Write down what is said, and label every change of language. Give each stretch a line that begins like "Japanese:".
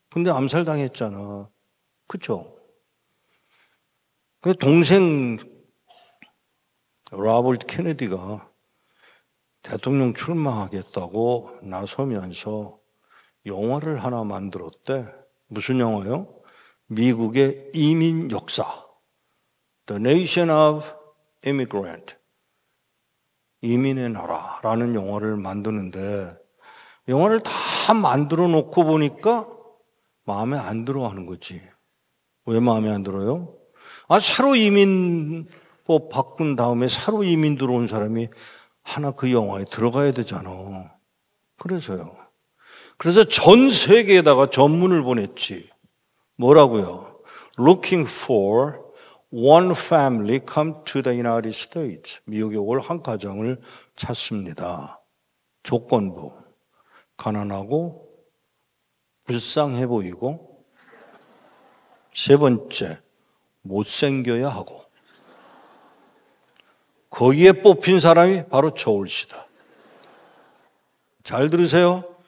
Korean: 근데 암살당했잖아. 그쵸? 그 동생 로버트 케네디가 대통령 출마하겠다고 나서면서 영화를 하나 만들었대. 무슨 영화요? 미국의 이민 역사.
English: The Nation of Immigrant.
Korean: 이민의 나라라는 영화를 만드는데 영화를 다 만들어 놓고 보니까 마음에 안 들어 하는 거지. 왜 마음에 안 들어요? 아, 새로 이민법 바꾼 다음에 새로 이민 들어온 사람이 하나 그 영화에 들어가야 되잖아. 그래서요. 그래서 전 세계에다가 전문을 보냈지. 뭐라고요?
English: Looking for one family come to the United States.
Korean: 미국에 올 한 가정을 찾습니다. 조건부. 가난하고 불쌍해 보이고 세 번째, 못생겨야 하고 거기에 뽑힌 사람이 바로 저울시다. 잘 들으세요.